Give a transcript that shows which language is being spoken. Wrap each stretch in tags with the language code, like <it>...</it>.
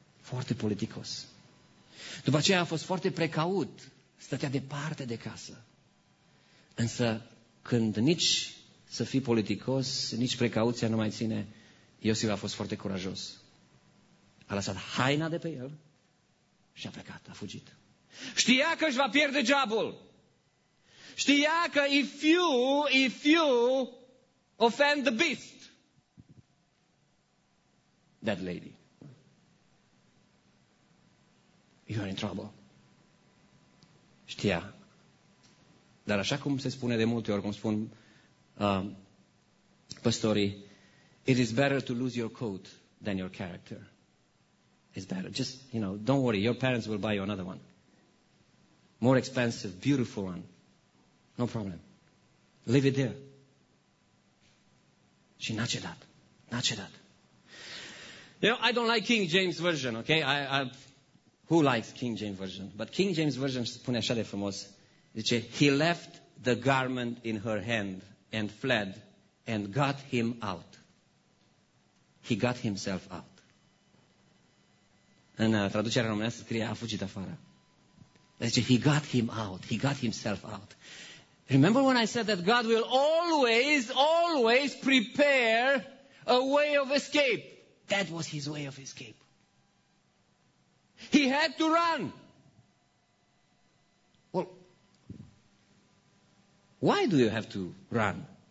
<ro>Foarte politicos. După aceea a fost foarte precaut, stătea departe de casă. Însă când nici să fii politicos, nici precauția nu mai ține, Iosif a fost foarte curajos. A lăsat haina de pe el și a plecat, a fugit. Știa că își va pierde jobul. Știa că</ro> <en>if you offend the beast, that lady, you are in trouble.</en> <ro>Știa. Dar așa cum se spune de multe ori, cum spun păstorii,</ro> <en>it is better to lose your coat than your character. It's better. Just, you know, don't worry. Your parents will buy you another one. more expensive, beautiful one. No problem. Leave it there.</en> <ro>Și n-a cedat. N-a cedat.</ro> <en>You know, I don't like King James Version, okay? Who likes King James Version? But King James Version</en> <ro>spune așa de frumos. Zice,</ro> <en>he left the garment in her hand and fled and got him out. He got himself out.</en> <ro>În traducerea românească scrie, a fugit afară.</ro> <en>Zice, he got him out. He got himself out. Remember when I said that God will always, always prepare a way of escape? That was his way of escape. He had to run. Well, why do you have to run?</en>